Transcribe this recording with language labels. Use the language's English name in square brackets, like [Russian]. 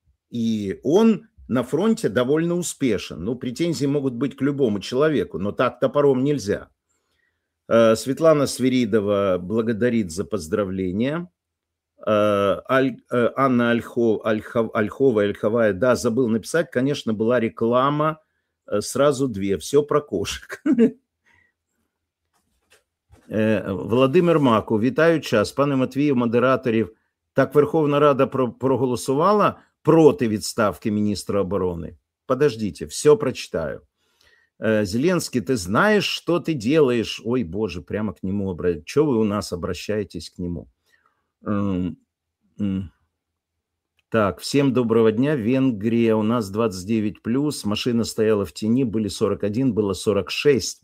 [Russian] И он на фронте довольно успешен. Ну, претензии могут быть к любому человеку, но так топором нельзя. Светлана Свиридова благодарит за поздравления. Анна Ольховая, да, забыл написать, конечно, была реклама, сразу две, все про кошек. [Ukrainian] Владимир Маку, витаю час, пане Матвію, модераторів, так Верховна Рада проголосувала проти відставки міністра оборони? [Russian] Подождите, все прочитаю. Зеленский, ты знаешь, что ты делаешь? Ой, боже, прямо к нему обращаетесь. Чего вы у нас обращаетесь к нему? Так, всем доброго дня. Венгрия, у нас 29+, машина стояла в тени, были 41, было 46.